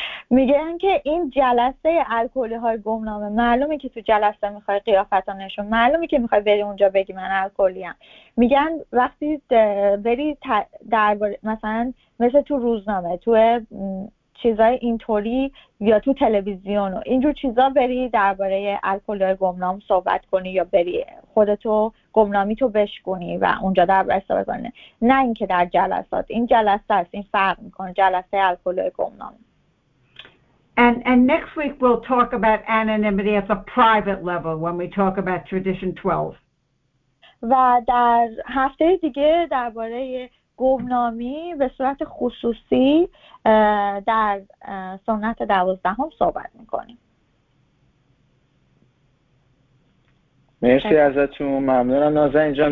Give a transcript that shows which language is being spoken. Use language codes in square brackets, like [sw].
[fa] میگن که این جلسه الکلی های گمنامه معلومه که تو جلسه میخوای قیافت ها نشون معلومه که میخوای بری اونجا بگی من الکلی هم میگن وقتی بری در مثلا مثل تو روزنامه تو چیزای اینطوری یا تو تلویزیون و اینجور چیزا بری درباره الکلی های گمنام صحبت کنی یا بری خودتو گمنامی تو بشکنی و اونجا درباره صحبت کنی نه اینکه در جلسات این جلسه است این فرق میکنه جلسه الکلی های گمنام [en] And next week we'll talk about anonymity at the private level when we talk about tradition 12. [fa] و در هفته دیگه درباره گمنامی به صورت خصوصی در سنت 12 صحبت می‌کنیم. مرسی ازتون، ممنونم نازنین جان.